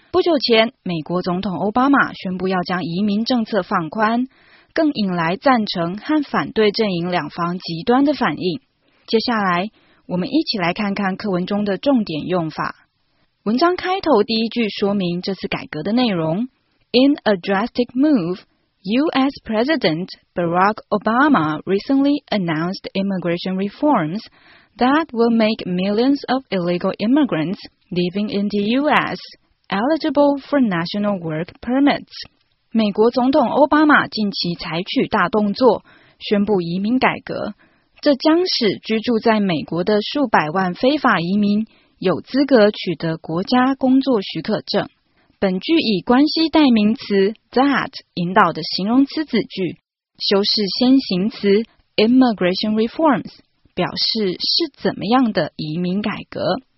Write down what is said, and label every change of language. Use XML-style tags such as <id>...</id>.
<zh>不久前，美国总统奥巴马宣布要将移民政策放宽，更引来赞成和反对阵营两方极端的反应。接下来，我们一起来看看课文中的重点用法。文章开头第一句说明这次改革的内容。</zh> <en>In a drastic move, U.S. President Barack Obama recently announced immigration reforms that will make millions of illegal immigrants living in the U.S. eligible for national work permits.</en> <zh>美国总统奥巴马近期采取大动作，宣布移民改革，这将使居住在美国的数百万非法移民有资格取得国家工作许可证。本句以关系代名词 that 引导的形容词子句，修饰先行词 immigration reforms， 表示是怎么样的移民改革。</zh>